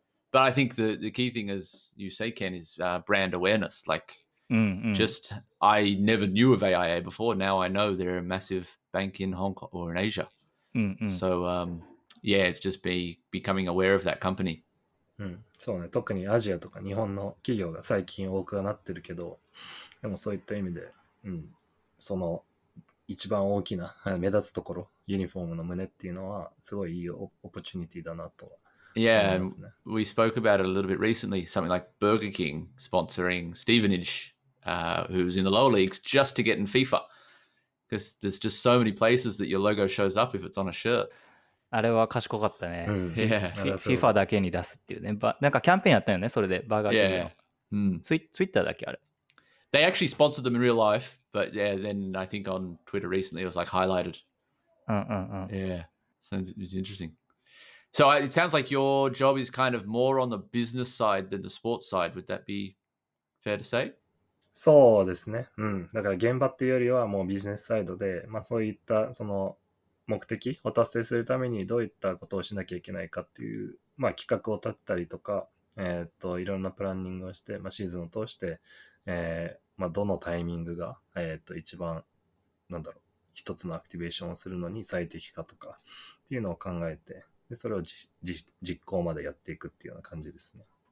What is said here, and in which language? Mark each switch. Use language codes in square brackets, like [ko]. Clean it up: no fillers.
[en] But I think the key thing, as you say, Ken, is brand awareness. Like, just I never knew of AIA before. Now I know they're a massive bank in Hong Kong or in Asia. So yeah, it's just becoming aware of that company. [ja] そうね。特にアジアとか日本の企業が最近多くなってるけど、でもそういった意味で、その一番大きな目立つところ、ユニフォームの胸っていうのはすごいいいオポチュニティだなと。 [en] Yeah, we spoke about it a little bit recently, something like Burger King sponsoring Stevenage, who's in the lower leagues, just to get in FIFA. Because there's just so many places that your logo shows up if it's on a shirt. [ja] あれは賢かったね。 [en] Yeah. [ja] FIFA だけに出すっていうね。なんかキャンペーンやったよね、それで、バーガーキングの。 [en] Yeah. [ja] Twitter だけあれ。 [en] They actually sponsored them in real life, but yeah, then I think on Twitter recently it was like highlighted. Yeah, sounds interesting. So it sounds like your job is kind of more on the business side than the sports side. Would that be fair to say? [ja] そうですね。うん。だから現場っていうよりはもうビジネスサイドで、まあそういったその目的を達成するためにどういったことをしなきゃいけないかっていう、まあ企画を立てたりとか、いろんなプランニングをして、まあシーズンを通して、まあどのタイミングが、一番なんだろう、一つのアクティベーションをするのに最適かとかっていうのを考えて、でそれを実行までやっていくっていうような感じですね。